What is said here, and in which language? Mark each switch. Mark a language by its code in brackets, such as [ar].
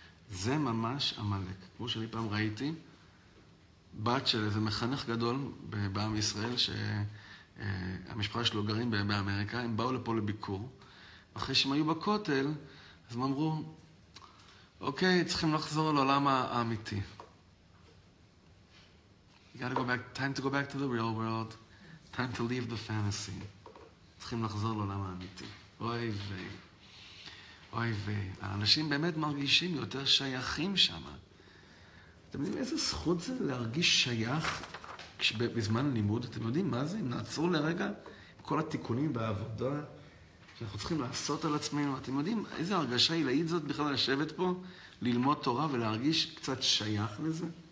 [he] זה ממש המלך. כמו שאני פעם ראיתי, בת של איזה מחנך גדול בעם ישראל, שהמשפחה שלו גרים באמריקה, הם באו לפה לביקור. אחרי שהם היו בכותל, אז הם אמרו, אוקיי, צריכים לחזור לעולם האמיתי. [en] Time to go back to the real world. Time to leave the fantasy. [he] צריכים לחזור לעולם האמיתי. אוי ואי. אוי ואי. האנשים באמת מרגישים יותר שייכים שם. אתם יודעים איזה זכות זה להרגיש שייך בזמן לימוד? אתם יודעים מה זה? אם נעצרו לרגע כל התיקונים בעבודה שאנחנו צריכים לעשות על עצמנו, אתם יודעים איזה הרגשה היא להעיד זאת בכלל לשבת פה, ללמוד תורה ולהרגיש קצת שייך לזה?